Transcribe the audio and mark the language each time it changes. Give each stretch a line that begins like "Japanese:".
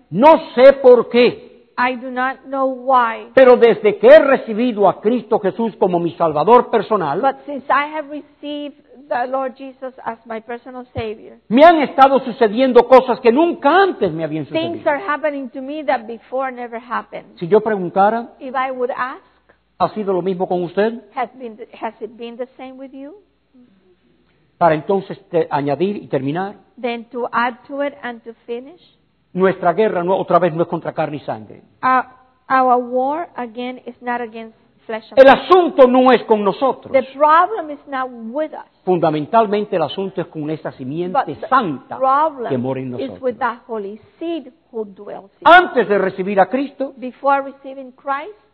Spanish: no sé por qué.
English: I do not know why.
Spanish: Pero desde que he recibido a Cristo Jesús como mi Salvador personal,
English: but since I have received the Lord Jesus as my personal Savior,
Spanish: me han estado sucediendo cosas que nunca antes me habían
English: things
Spanish: sucedido.
English: Things are happening to me that before never happened.
Spanish: Si yo preguntara,
English: if I would ask,
Spanish: ¿ha sido lo mismo con usted?
English: Has it been the same with you?
Spanish: Para entonces añadir y terminar,
English: then to add to it and to finish,
Spanish: nuestra guerra no, otra vez no es contra carne y sangre.
English: Our war again is not against flesh and
Spanish: el asunto no es con nosotros.
English: The problem is not with us.
Spanish: Fundamentalmente el asunto es con esa simiente
English: but
Spanish: santa
English: problem
Spanish: que mora en nosotros.
English: Is with that holy seed who dwells in
Spanish: antes de recibir a Cristo.
English: Before receiving Christ,